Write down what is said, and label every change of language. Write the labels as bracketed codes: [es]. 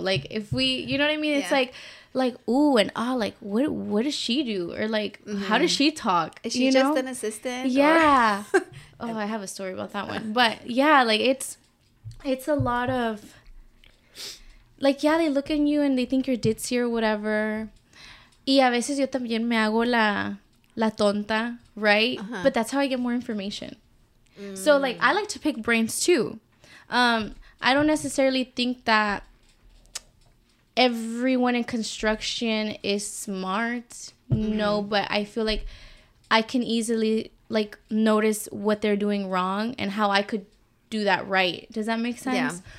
[en] Like if we, you know what I mean? It's like, ooh and ah, like what does she do? Or like, how does she talk? Is she an assistant? Yeah. Oh, I have a story about that one. But yeah, like it's a lot of, like, yeah, they look at you and they think you're ditzy or whatever. [es] Y a veces yo también me hago la tonta, right? [en] Uh-huh. But that's how I get more information. So, like, I like to pick brains, too. I don't necessarily think that everyone in construction is smart. No, but I feel like I can easily, like, notice what they're doing wrong and how I could do that right. Does that make sense? Yeah.